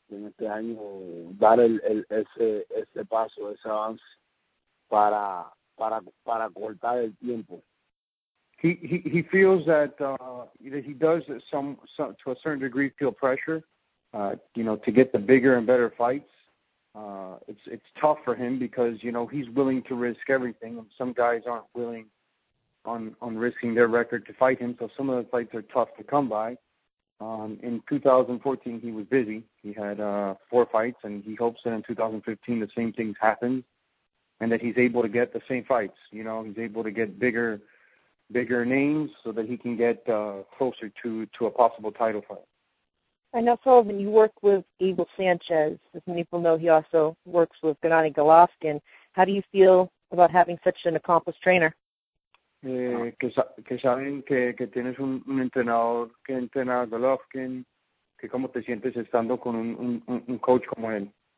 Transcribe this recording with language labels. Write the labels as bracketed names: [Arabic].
[Spanish] En este año dar ese paso, ese avance para cortar el tiempo. [English] He feels that he does some to a certain degree feel pressure, you know, to get the bigger and better fights. It's tough for him because, you know, he's willing to risk everything, and some guys aren't willing on risking their record to fight him. So some of the fights are tough to come by. In 2014, he was busy. He had four fights, and he hopes that in 2015 the same things happen and that he's able to get the same fights. You know, he's able to get bigger names so that he can get closer to a possible title fight. I know, Sullivan, you work with Abel Sanchez. As many people know, he also works with Gennady Golovkin. How do you feel about having such an accomplished trainer? [Spanish] Que saben que tienes un entrenador que entrena a Golovkin, que cómo te sientes estando con un coach como él.